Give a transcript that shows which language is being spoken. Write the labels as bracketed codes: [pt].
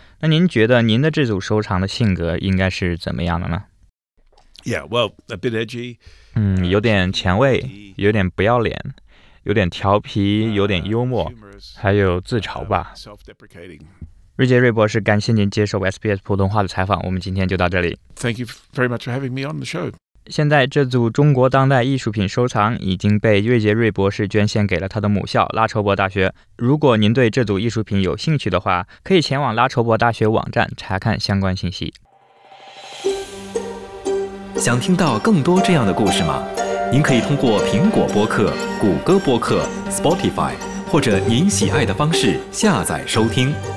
[zh] 那您觉得您的这组收藏的性格应该是怎么样的呢？ [en] Yeah, well, a bit edgy. [zh] 有点前卫，有点不要脸，有点调皮，有点幽默，还有自嘲吧。瑞杰瑞博士，感谢您接受 SBS 普通话的采访，我们今天就到这里。 [en] Thank you very much for having me on the show. [zh] 现在这组中国当代艺术品收藏已经被瑞杰瑞博士捐献给了他的母校拉筹伯大学。如果您对这组艺术品有兴趣的话，可以前往拉筹伯大学网站查看相关信息。想听到更多这样的故事吗？您可以通过苹果播客、谷歌播客、 Spotify 或者您喜爱的方式下载收听。